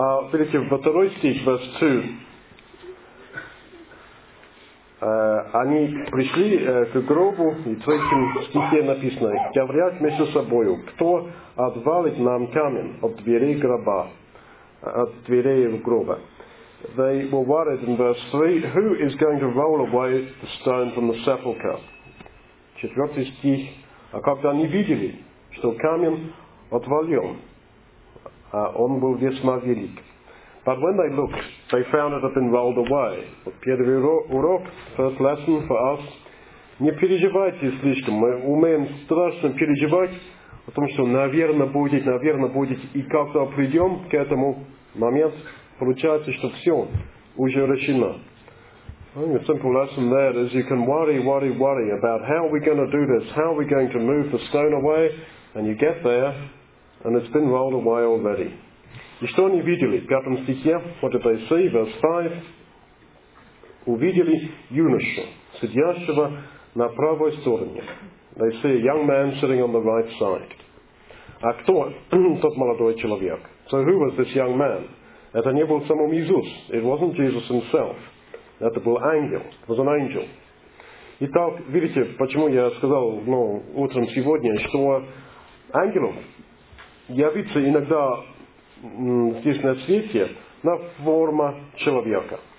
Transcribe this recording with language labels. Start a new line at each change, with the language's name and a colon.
Russian: Смотрите, во второй стих,
English: verse 2.
Russian: Они пришли к гробу, и в третьем стихе написано, говорят между собой, кто отвалит нам камень от дверей гроба, от дверей гроба.
English: They were worried in verse 3, who is going to roll away the stone from the sepulchre?
Russian: Четвертый стих, а когда они видели, что камень отвален, он был весьма велик.
English: But when they looked, they found it had been rolled away.
Russian: Первый урок,
English: first lesson for us,
Russian: не переживайте слишком. Мы умеем страшно переживать о том, что наверное будет, и как-то придем к этому моменту, получается, что все уже решено.
English: A simple lesson there is you can worry about how we're going to do this, how we're going to move the stone away, and you get there, and it's been rolled away already.
Russian: И что они видели? В пятом стихе,
English: what did they see? Verse 5.
Russian: Увидели юношу, сидящего на правой стороне.
English: They see a young man sitting on the right side.
Russian: А кто тот молодой человек?
English: So who was this young man?
Russian: Это не был самым Иисус.
English: It wasn't Jesus himself.
Russian: Это был ангел.
English: It was an angel.
Russian: Итак, видите, почему я сказал утром сегодня, что ангелов явится иногда здесь на свете на форма человека.